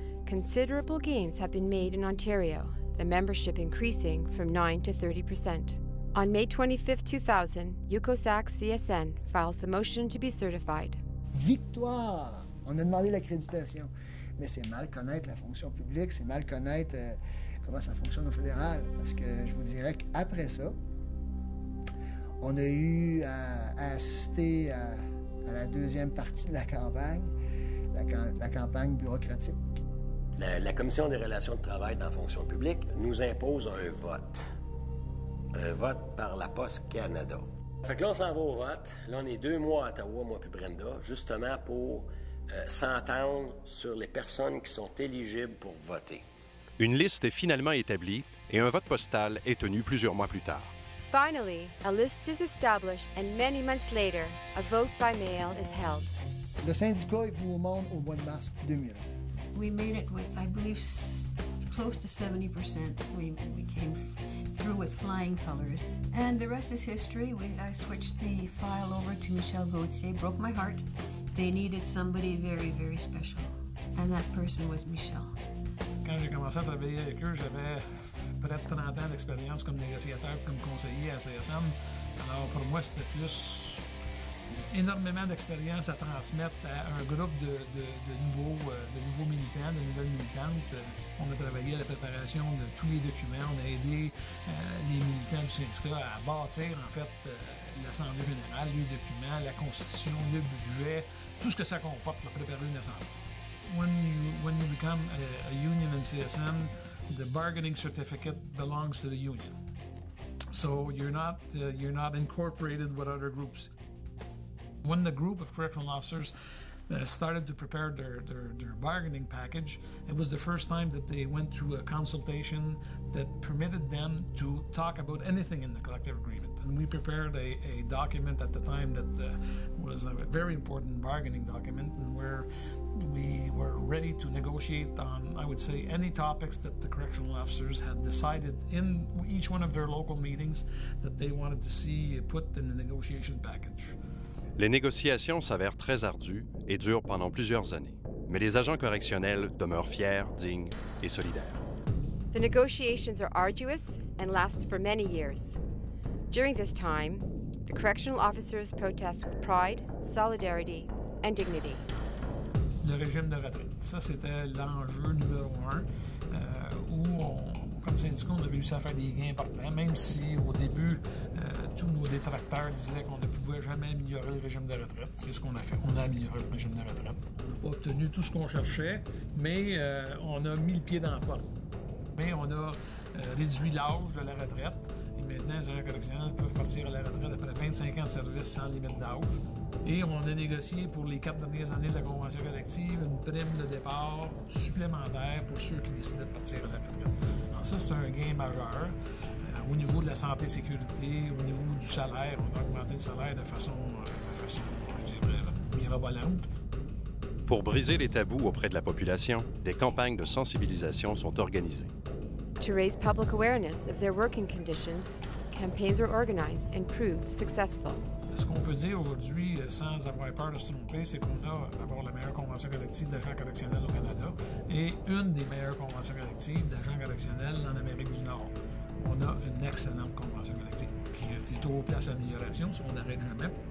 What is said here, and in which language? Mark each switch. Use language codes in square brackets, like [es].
[en] Considerable gains have been made in Ontario, the membership increasing from 9 to 30%. On May 25, 2000, UCOSAC CSN files the motion to be certified. [fr] Victoire! On a demandé l'accréditation. Mais c'est mal connaître la fonction publique, c'est mal connaître comment ça fonctionne au fédéral, parce que je vous dirais qu'après ça, on a eu à assister à la deuxième partie de la campagne, la campagne bureaucratique. La Commission des relations de travail dans la fonction publique nous impose un vote. Un vote par la Poste Canada. Fait que là, on s'en va au vote. Là, on est 2 mois à Ottawa, moi puis Brenda, justement pour s'entendre sur les personnes qui sont éligibles pour voter. Une liste est finalement établie et un vote postal est tenu plusieurs mois plus tard. Finally, a list is established and many months later, a vote by mail is held. Le syndicat est venu au monde au mois de mars 2001. [en] We made it with, I believe, close to 70%. We came through with flying colors. And the rest is history. I switched the file over to Michel Gauthier, broke my heart. They needed somebody very, very special. And that person was Michel. [fr] Quand j'ai commencé à travailler avec eux, j'avais près de 30 ans d'expérience comme négociateur, comme conseiller à CSM. Alors pour moi, c'était plus énormément d'expérience à transmettre à un groupe de nouveaux militants, de nouvelles militantes. On a travaillé à la préparation de tous les documents. On a aidé les militants du syndicat à bâtir, en fait, l'Assemblée générale, les documents, la Constitution, le budget, tout ce que ça comporte pour préparer une Assemblée. [en] When you become a union in CSM, the bargaining certificate belongs to the union. So you're not incorporated with other groups. When the group of correctional officers started to prepare their bargaining package, it was the first time that they went through a consultation that permitted them to talk about anything in the collective agreement. And we prepared a document at the time that was a very important bargaining document, and where we were ready to negotiate on, I would say, any topics that the correctional officers had decided in each one of their local meetings that they wanted to see put in the negotiation package. [fr] Les négociations s'avèrent très ardues et durent pendant plusieurs années. Mais les agents correctionnels demeurent fiers, dignes et solidaires. [en] The negotiations are arduous and last for many years. During this time, the correctional officers protest with pride, solidarity and dignity. [fr] Le régime de retraite, ça c'était l'enjeu numéro un, où comme syndicat, on a réussi à faire des gains importants, même si au début, tous nos détracteurs disaient qu'on ne pouvait jamais améliorer le régime de retraite. C'est ce qu'on a fait. On a amélioré le régime de retraite. On n'a pas obtenu tout ce qu'on cherchait, mais on a mis le pied dans la porte. Mais on a réduit l'âge de la retraite. Et maintenant, les agents correctionnels peuvent partir à la retraite après 25 ans de service sans limite d'âge. Et on a négocié pour les 4 dernières années de la convention collective une prime de départ supplémentaire pour ceux qui décidaient de partir à la retraite. Alors ça, c'est un gain majeur. Au niveau de la santé et sécurité, au niveau du salaire, on a augmenté le salaire de façon, je dirais, mirabolante. Pour briser les tabous auprès de la population, des campagnes de sensibilisation sont organisées. [en] To raise public awareness of their working conditions, campaigns are organized and proved successful. [fr] Ce qu'on peut dire aujourd'hui, sans avoir peur de se tromper, c'est qu'on a d'abord la meilleure convention collective d'agents correctionnels au Canada et une des meilleures conventions collectives d'agents correctionnels en Amérique du Nord. On a une excellente convention collective qui est trop place à l'amélioration si on n'arrête jamais.